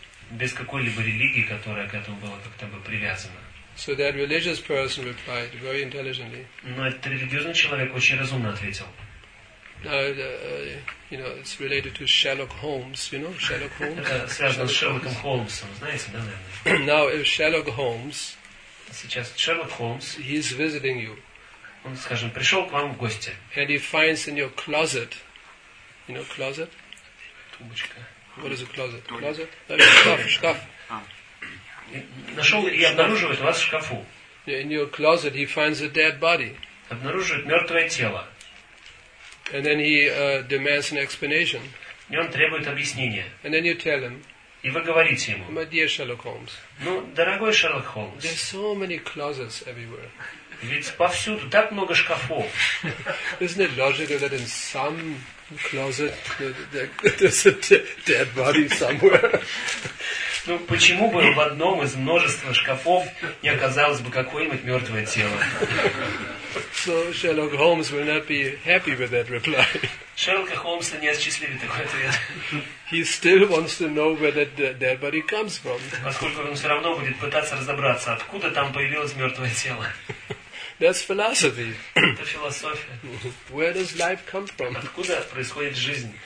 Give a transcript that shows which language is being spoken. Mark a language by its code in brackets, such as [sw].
[ru] Без какой-либо религии, которая к этому была как-то бы привязана. [en] So that religious person replied very intelligently. [ru] Но этот религиозный человек очень разумно ответил. [en] You know, it's related to Sherlock Holmes, you know, Sherlock Holmes. [ru] Связано с Шерлоком Холмсом, знаете, да, наверное. [en] Now, if Sherlock Holmes, [ru] сейчас Шерлок Холмс, [en] he's visiting you. [ru] Он, скажем, пришел к вам в гости. [en] And he finds in your closet, you know, closet. [ru] Тумбочка. [en] What is a closet? Closet? [ru] Шкаф. Нашел и обнаруживает вас в шкафу. [en] In your closet, he finds a dead body. [ru] Обнаруживает мертвое тело. [en] And then he demands an explanation. [ru] И он требует объяснения. [en] And then you tell him. [ru] И вы говорите ему. [en] My dear Sherlock Holmes. [ru] Ну, дорогой Шерлок Холмс. [en] There's so many closets everywhere. [ru] Ведь повсюду так много шкафов. [en] Isn't it logical that in some closet there's a dead body somewhere? [ru] Ну, почему бы в одном из множества шкафов не оказалось бы какое-нибудь мертвое тело? [en] So Sherlock Holmes will not be happy with that reply. [ru] Шерлока Холмса не осчастливит такой ответ. [en] He still wants to know where that dead body comes from. [ru] Поскольку он все равно будет пытаться разобраться, откуда там появилось мертвое тело. [en] That's philosophy. [ru] Это философия. [en] Where does life come from? [ru] Откуда происходит жизнь?